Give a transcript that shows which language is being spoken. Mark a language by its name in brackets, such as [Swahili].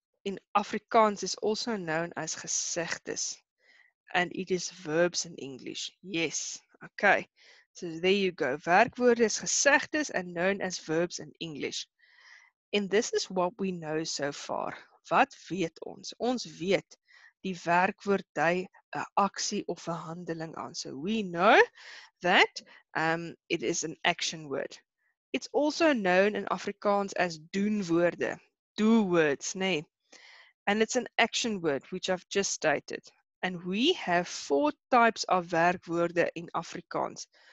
[English] in Afrikaans is also known as gesegdes. And it is verbs in English. Yes. Okay. So there you go. [Afrikaans] Werkwoorde is gesegdes [English] and known as verbs in English. And this is what we know so far. [Afrikaans] Wat weet ons? Ons weet die werkwoord dui 'n aksie of 'n handeling aan. [English] So we know that it is an action word. It's also known in Afrikaans as doenwoorde, do words, nee. And it's an action word, which I've just stated. And we have four types of werkwoorde in Afrikaans.